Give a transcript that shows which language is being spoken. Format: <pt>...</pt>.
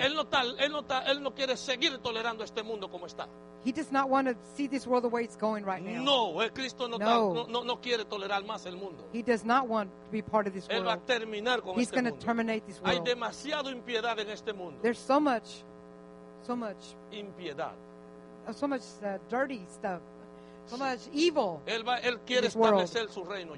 <es>Él no quiere seguir tolerando este mundo como está.</es> <en>He does not want to see this world the way it's going right now.</en> <es>No, Cristo no quiere tolerar más el mundo.</es> <en>He does not want to be part of this world.</en> <es>Él va a terminar con</es> <en>he's</en> <es>este mundo.</es> <en>He's going to terminate this world.</en> <es>Hay demasiada impiedad en este mundo.</es> <en>There's so much</en> <es>impiedad.</es> <en>So much dirty stuff. So much evil.</en> <es>Él quiere establecer su reino ya.</es>